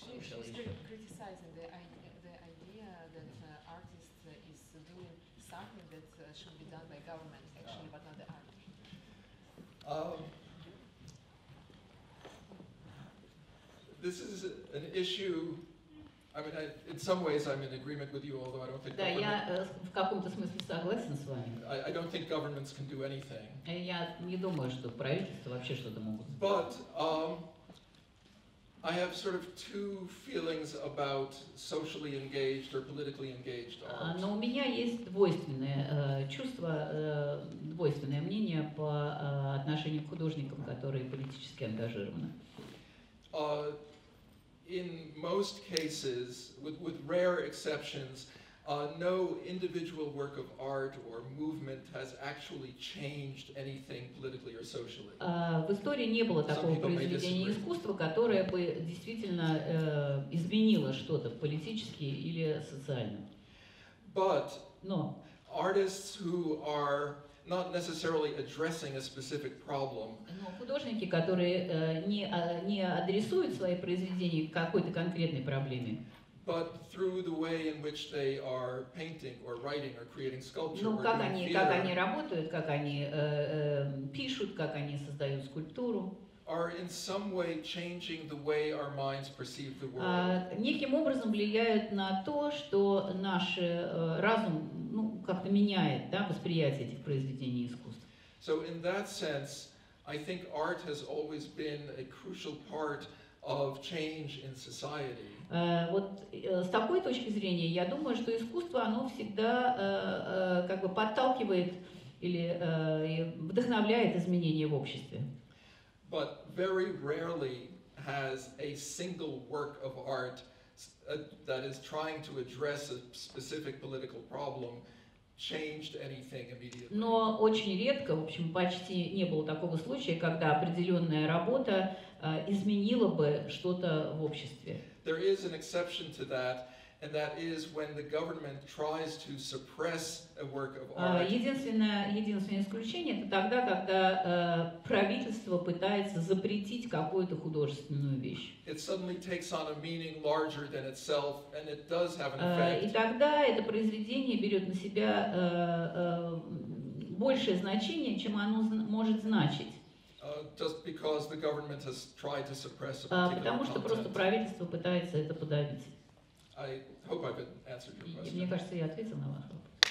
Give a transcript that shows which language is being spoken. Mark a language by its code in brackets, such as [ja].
[en] Criticizing the idea that artist is doing something that should be done by government, actually, but not the art. This is an issue. I mean, in some ways, I'm in agreement with you, although I don't think. [ru] Да, я в каком-то смысле согласен с вами. [en] I don't think governments can do anything. [ru] Я не думаю, что правительства вообще что-то могут. [en] But I have sort of two feelings about socially engaged or politically engaged art. [ru] Но у меня есть двойственное чувство, двойственное мнение по отношению к художникам, которые политически ангажированы. [en] In most cases, with rare exceptions, no individual work of art or movement has actually changed anything politically or socially. [ru] В истории не было такого произведения искусства, которое бы действительно изменило что-то политически или социально. [en] But no. Artists who are not necessarily addressing a specific problem. [ru] Но художники, которые не адресуют свои произведения к какой-то конкретной проблеме. [en] But through the way in which they are painting or writing or creating sculpture. [ru] Ну как они [en] theater, [ru] как они работают, как они пишут, как они создают скульптуру. [en] Are in some way changing the way our minds perceive the world. [ru] Неким образом влияют на то, что наш разум как-то меняет, да, восприятие этих произведений искусства. [en] So in that sense, I think art has always been a crucial part of change in society. [ru] С такой точки зрения, я думаю, что искусство, оно всегда как бы подталкивает или вдохновляет изменения в обществе. [en] But very rarely has a single work of art that is trying to address a specific political problem changed anything immediately. [ru] Но очень редко, в общем, почти не было такого случая, когда определенная работа изменила бы что-то в обществе. [en] There is an exception to that, and that is when the government tries to suppress a work of art. [ru] Единственное исключение — это тогда, когда правительство пытается запретить какую-то художественную вещь. [en] It suddenly takes on a meaning larger than itself, and it does have an effect. [ru] И тогда это произведение берет на себя большее значение, чем оно может значить. [en] Just because the government has tried to suppress a particular content. [ru] Потому что [en] content. [ru] Просто правительство пытается это подавить. [en] I hope I've answered your question. [ru] Мне кажется, я ответил на ваш вопрос.